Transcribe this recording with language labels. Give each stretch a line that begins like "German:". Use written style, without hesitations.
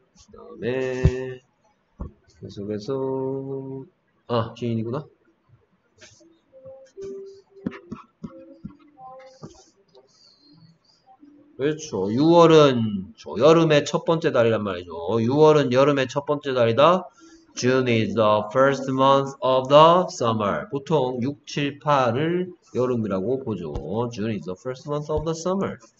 Korean: 그 다음에 계속해서 아 지인이구나. 그렇죠. 6월은 여름의 첫 번째 달이란 말이죠. 6월은 여름의 첫 번째 달이다.
English: June is the first month of the summer.
Korean: 보통 6, 7, 8을 여름이라고 보죠.
English: June is the first month of the summer.